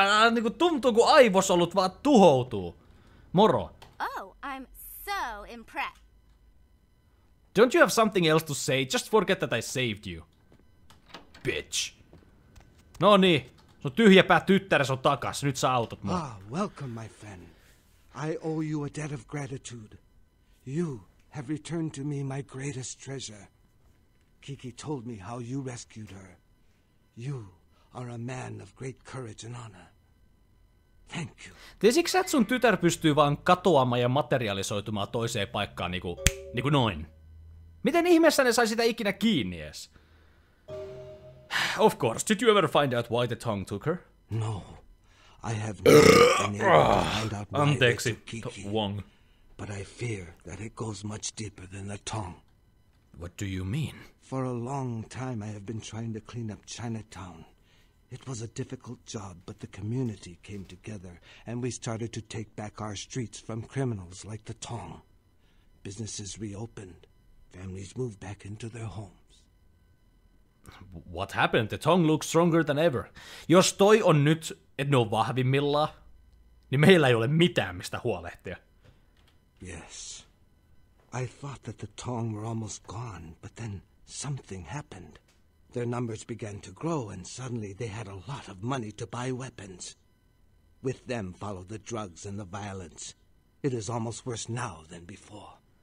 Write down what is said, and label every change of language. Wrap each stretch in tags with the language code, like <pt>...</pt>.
<fi>Niinku tuntuu kuin aivos ollut vaan tuhoutuu. Moro.</fi> <en>Oh, I'm so impressed. Don't you have something else to say? Just forget that I saved you. Bitch.</en> <fi>No niin, sun tyhjäpää tyttäres on takas. Nyt sä autat mua.</fi> <en>Ah, welcome my friend. I owe you a debt of gratitude. You have returned to me my greatest treasure. Kiki told me how you rescued her. You are a man of great courage and honor. Thank you.</en> <fi>Tiesiks et sun tytär pystyy vaan katoamaan ja materialisoitumaan toiseen paikkaan niinku noin? Miten ihmeessä ne sai sitä ikinä kiinni ees?</fi> <en>Of course. Did you ever find out why the tongue took her? No. I have never been able to find out why they took Kiki. Wong. But I fear that it goes much deeper than the tongue. What do you mean? For a long time I have been trying to clean up Chinatown. It was a difficult job, but the community came together and we started to take back our streets from criminals like the Tong. Businesses reopened. Families moved back into their homes. What happened? The Tong looks stronger than ever.</en> <fi>Jos toi on nyt, et ne on vahvimmillaan, niin meillä ei ole mitään mistä huolehtia.</fi> <en>Yes. I thought that the Tong were almost gone, but then something happened. Their numbers began to grow, and suddenly they had a lot of money to buy weapons. With them followed the drugs and the violence. It is almost worse now than before.</en>